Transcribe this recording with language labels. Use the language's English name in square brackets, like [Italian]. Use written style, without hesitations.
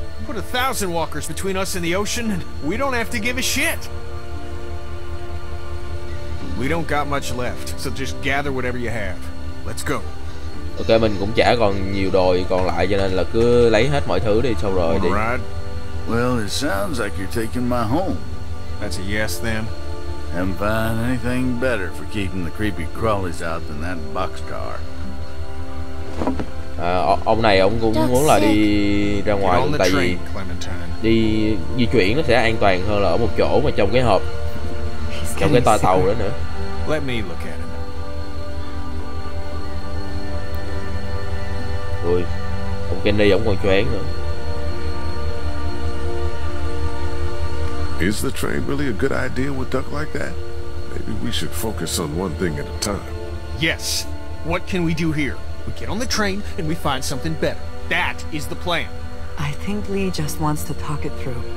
[English] Put 1,000 walkers between us and the ocean, and we don't have to give a shit. We don't got much left, so just gather whatever you have. Let's go. [Vietnamese] Okay, mình cũng chả còn nhiều đồ còn lại, cho nên là cứ lấy hết mọi thứ đi, xong rồi đi. [English] Alright. Well, it sounds like you're taking my home. That's a yes, then. Haven't found anything better for keeping the creepy crawlies out than that boxcar. [Vietnamese] Ông này ông cũng muốn là đi ra ngoài, tại vì đi di chuyển nó sẽ an toàn hơn là ở một chỗ mà trong cái hộp, trong cái toa tàu đó nữa. [English] Let me look at him. [Vietnamese] Ui, ông Kenny ông còn choáng nữa. [English] Is the train really a good idea with Duck like that? Maybe we should focus on one thing at a time. Yes. What can we do here? We get on the train and we find something better. That is the plan. I think Lee just wants to talk it through.